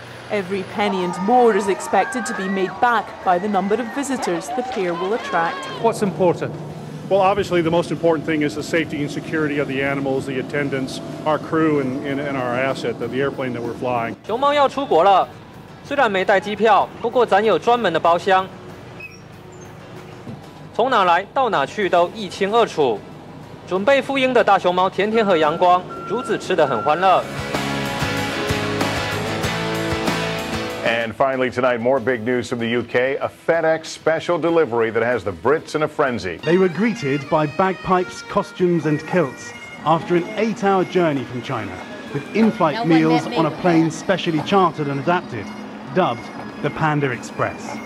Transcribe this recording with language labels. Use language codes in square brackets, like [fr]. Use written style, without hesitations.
[en] Every penny and more is expected to be made back by the number of visitors the pair will attract. What's important? Well, obviously the most important thing is the safety and security of the animals, the attendants, our crew and our asset, the airplane that we're flying. [zh] 熊猫要出国了。虽然没带机票，不过咱有专门的包厢。从哪来到哪去都一清二楚。准备赴英的大熊猫甜甜和阳光， 竹子吃得很欢乐。 [en] And finally tonight, more big news from the UK. A FedEx special delivery that has the Brits in a frenzy. They were greeted by bagpipes, costumes and kilts after an 8-hour journey from China, with in-flight meals on a plane specially chartered and adapted, dubbed the Panda Express.